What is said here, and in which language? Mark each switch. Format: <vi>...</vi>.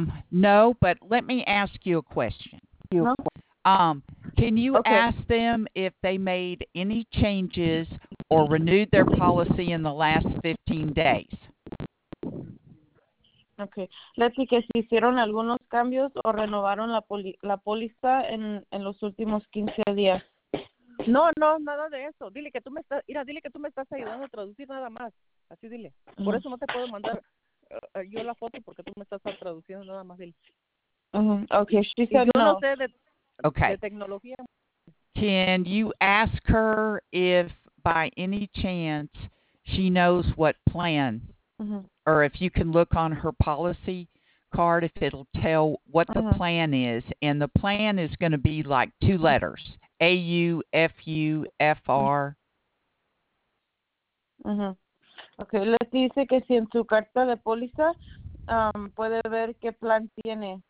<en>No, but let me ask you a question. No? Can you okay. ask them if they made any changes or renewed their policy in the last 15 days? Okay. Let's see,</en> <es>que si hicieron algunos cambios o renovaron la póliza en los últimos 15 días. No, no, nada de eso. Dile que tú me estás, mira, dile que tú me estás ayudando a traducir nada más. Así dile. Por eso no te puedo mandar yo la foto porque tú me estás traduciendo nada más, dile.</es> <en>Okay, she said</en> <es>yo no. No sé de,</es> <en>okay.</en> <es>De tecnología.</es> <en>Can you ask her if by any chance she knows what plan? Mm-hmm. Or if you can look on her policy card, if it'll tell what the mm-hmm. plan is. And the plan is going to be like two letters, AUFUFR. Mm-hmm. Okay, let's</en> <es>dice que si en su carta de póliza puede ver qué plan tiene.</es>